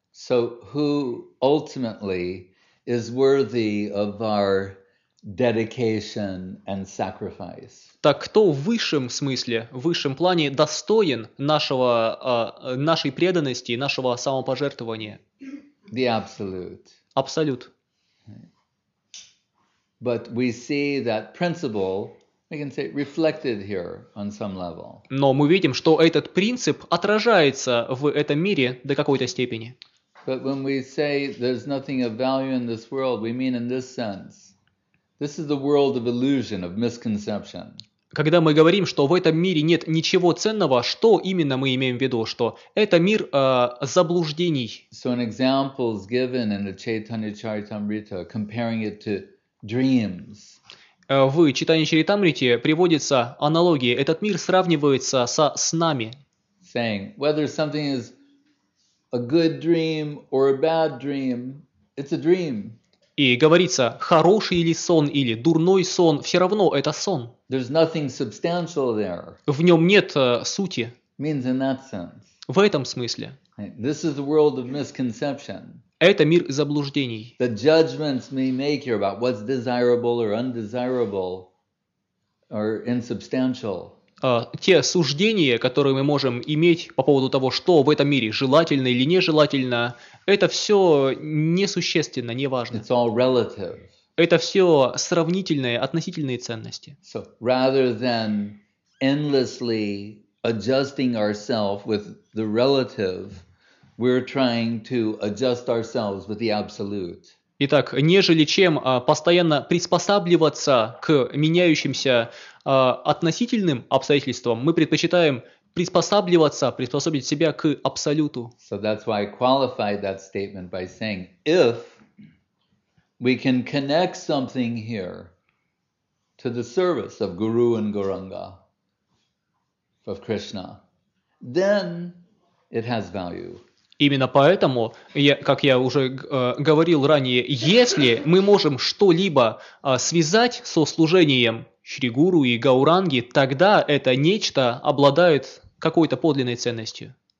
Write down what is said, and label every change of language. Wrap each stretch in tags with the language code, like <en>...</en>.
<en>So who ultimately is worthy of our dedication and sacrifice?</en> <ru>Так кто в высшем смысле, в высшем плане достоин нашей преданности, нашего самопожертвования?</ru> <en>The absolute.</en> <ru>Абсолют.</ru> <en>But we see that principle, we can say, reflected here on some level.</en> <ru>Но мы видим, что этот принцип отражается в этом мире до какой-то степени.</ru> <en>But when we say there's nothing of value in this world, we mean in this sense. This is the world of illusion, of misconception.</en> <ru>Когда мы говорим, что в этом мире нет ничего ценного, что именно мы имеем в виду? Что это мир заблуждений.</ru> <en>So an example is given in the Chaitanya Charitamrita, comparing it to dreams.</en> <ru>В Чайтанья Чаритамрите приводится аналогия. Этот мир сравнивается со снами.</ru> <en>Saying, whether something is a good dream or a bad dream, it's a dream.</en> <ru>И говорится, хороший ли сон или дурной сон, все равно это сон.</ru> <en>There's nothing substantial there.</en> <ru>В нем нет сути.</ru> <en>Means in that sense.</en> <ru>В этом смысле.</ru> <en>This is the world of misconception.</en> <ru>Это мир заблуждений.</ru> <en>The judgments we make here about what's desirable or undesirable are insubstantial.</en> <ru>Те суждения, которые мы можем иметь по поводу того, что в этом мире желательно или нежелательно, это все несущественно, неважно.</ru> <en>It's all relative.</en> <ru>Это все сравнительные, относительные ценности.</ru> <en>So, rather than endlessly adjusting ourselves with the relative, we're trying to adjust ourselves with the absolute.</en> <ru>Итак, нежели чем постоянно приспосабливаться к меняющимся относительным обстоятельствам, мы предпочитаем приспособить себя к абсолюту.</ru> <en>So that's why I qualified that statement by saying, if we can connect something here to the service of Guru and Gauranga, of Krishna, then it has value.</en> <ru>Именно поэтому, как я уже говорил ранее, если мы можем что-либо связать со служением Шри Гуру и Гауранги, тогда это нечто обладает какой-то подлинной ценностью.</ru>